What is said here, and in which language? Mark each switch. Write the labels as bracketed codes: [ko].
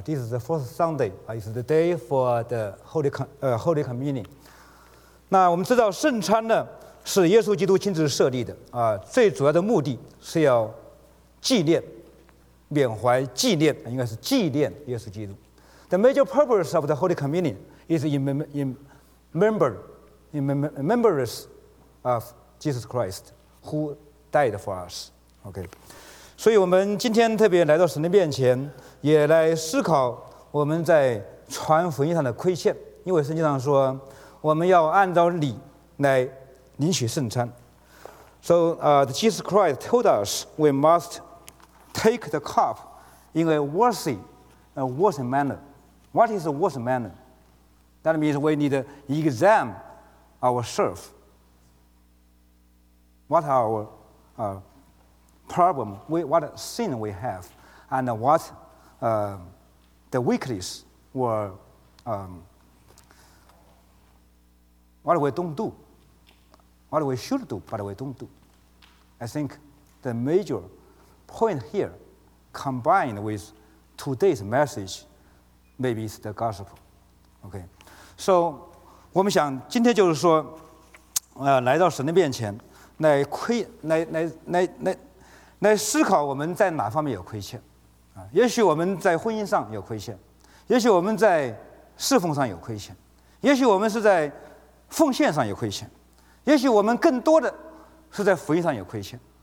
[en] This is the fourth Sunday. It's the day for the Holy Communion. [zh] 那我们知道圣餐呢是耶稣基督亲自设立的啊，最主要的目的是要纪念、缅怀、纪念，应该是纪念耶稣基督。 [en] The major purpose of the Holy Communion is in remembrance of Jesus Christ who died for us. Okay. [zh] 所以我们今天特别来到神的面前，也来思考我们在传福音上的亏欠，因为圣经上说我们要按照理来领取圣餐。 [en] So Jesus Christ told us we must take the cup in a worthy manner. What is a worthy manner? That means we need to examine ourselves. What are our problem, what sin we have, and what the weakness were, what we don't do, what we should do, but we don't do. I think the major point here, combined with today's message, maybe it's the gospel. Okay, so [zh] 我们想今天就是说，来到神的面前，来思考我们在哪方面有亏欠，啊，也许我们在婚姻上有亏欠，也许我们在侍奉上有亏欠，也许我们是在奉献上有亏欠，也许我们更多的是在福音上有亏欠。